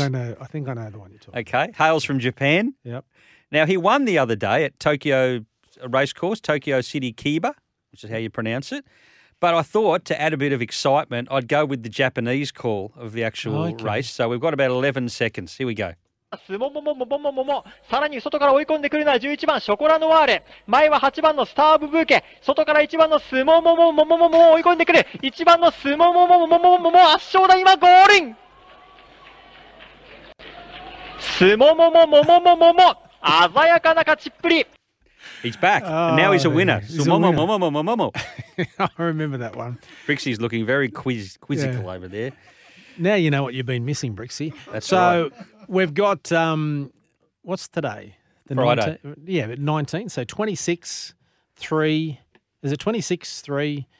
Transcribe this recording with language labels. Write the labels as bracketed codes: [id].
[en] I think I know the one you're talking about. Okay. Hails from Japan. Yep. Now, he won the other day at Tokyo race course, Tokyo City Kiba, which is how you pronounce it. But I thought, to add a bit of excitement, I'd go with the Japanese call of the actual race. So we've got about 11 seconds. Here we go. [ja] もももももももも、さらに外から追い込んでくるのは11番ショコラノワーレ、前は8番のスターブブーケ、外から1番のスモモモモモモモ追い込んでくる、1番のスモモモモモモモモ圧勝だ、今ゴールイン、スモモモモモモモモ鮮やかな勝ちっぷり。 [en] He's back. Oh, now he's a winner. Sumomomomomomomo. I remember that one. Brixie's looking very quizzical over there. Now you know what you've been missing, Brixie. That's so right. We've got, what's today? The Friday. 19, yeah, 19. So 26, 3. Is it 26, 3?